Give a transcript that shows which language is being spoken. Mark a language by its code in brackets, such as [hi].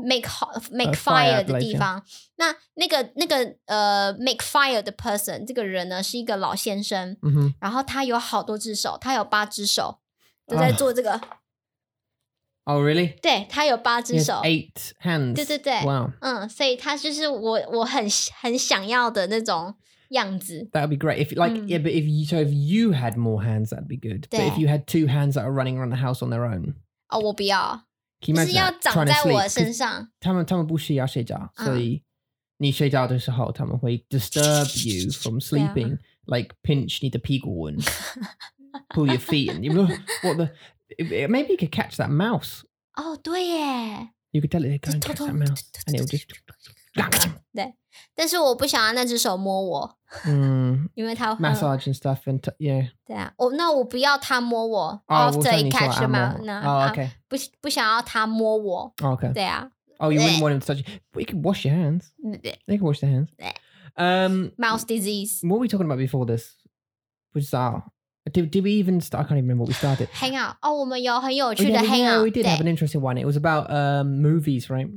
[en] make fire [zh] 的地方 make fire 的 person 这个人呢是一个老先生、 mm-hmm. 然后他有好多只手他有八只手都在做这个 [en] Oh really? [zh] 对他有八只手 [en] Eight hands [zh] 对对对 [en] Wow、 [zh] 所以他就是 我 很想要的那种样子 [en] That would be great if, like,、嗯、yeah, but if you had more hands that would be good But if you had two hands that are running around the house on their own [zh] 哦我不要就是要长在我身上他们不需要睡觉、嗯、所以你睡觉的时候他们会 [en] disturb you from sleeping、啊、like pinch [zh] 你的屁股 [en] and pull your feet and you look, what the, maybe you could catch that mouse [zh] 哦对耶 [en] you could tell it go and catch that mouse and it'll just [zh] 对但是我不想要那只手摸我因为他会 [en] massage and stuff and yeah [zh] 对啊、oh, 那我不要他摸我、 oh, [en] after he catch the mouse no, oh okay [zh] 不想要他摸我、 [en] oh, okay [zh] 对啊 [en] oh you wouldn't want him to touch you but you can wash your hands you can wash your hands mouse disease what were we talking about before this bizarre did we even start I can't even remember what we started [zh] hang out oh 我们有很有趣的 hang out [en] yeah, we did have an interesting one it was about movies right